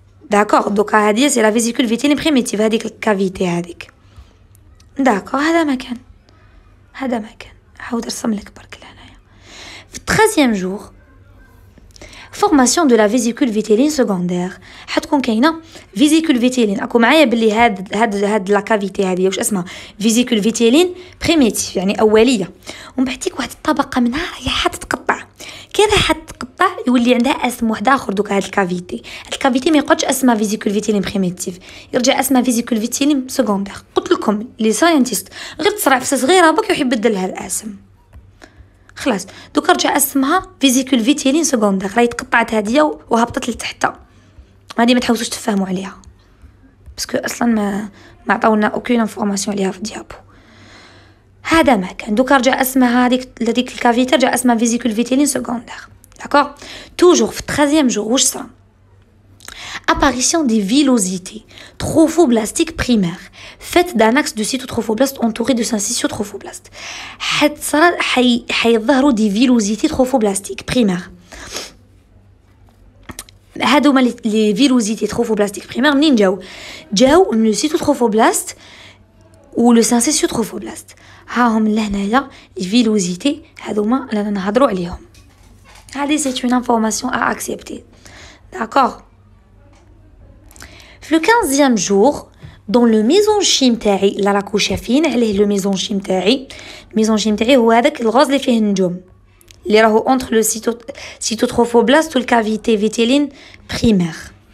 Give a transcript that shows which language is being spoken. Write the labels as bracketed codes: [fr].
[fr] D'accord, donc à dire c'est la vésicule vitelline primitive, avec la cavité avec. D'accord, [ar] هذا مكان. حاول ترسم لك برك لهنايا. في [fr] 13e jour, formation de la vésicule vitelline secondaire. [ar] حتكون كاينه vésicule vitelline. اكو معايا بلي هاد لا كافيتي هادي واش اسمها vésicule vitelline primitive يعني اوليه، ومبعديك واحد الطبقه منها راه تتقطع. كي راه تتقطع يولي عندها اسم واحد اخر. دوك هاد الكافيتي، الكافيتي ما يقعدش اسمها vésicule vitelline primitive، يرجع اسمها vésicule vitelline secondaire. قلت لكم لي ساينتيست غير تصرع في صغيره بك يحب يبدلها الاسم، خلاص دوك رجع اسمها فيزيكول فيتيلين سكوندير، راهي تقطعت هادية وهبطت لتحت. هادي ما تحاولوش تفهموا عليها باسكو اصلا ما عطاونا اوكين انفورماسيون عليها في ديابو. هذا ما كان دوك رجع اسمها هذيك الكافيتي رجع اسمها فيزيكول فيتيلين سكوندير. داكوغ توجور في 13 جو واش صرا؟ [fr] apparition des villosités trophoblastiques primaires faites d'un axe de cytotrophoblastes entouré de syncytiaux trophoblastes. [ar] حتى صرا حيظهروا دي فيلوزيتي تروفوبلاستيك بريمير. هادو هما لي فيلوزيتي تروفوبلاستيك بريمير منين جاو؟ جاو من لو سيتوتروفوبلاست و لو سانسيسيو تروفوبلاست. ها هم لهنايا لي فيلوزيتي هادوما اللي نهضروا عليهم. هادي سي اون انفورماسيون ا اكسيبتي. [fr] داكوغ. Le 15e jour, dans le mésenchyme [ar] تاعي, [fr] la couche fine, elle est le mésenchyme تاعي. Mésenchyme [ar] تاعي هو هذاك الغاز اللي فيه النجوم. اللي راهو [fr] entre le cytotrophoblast ou la cavité vitelline primaire.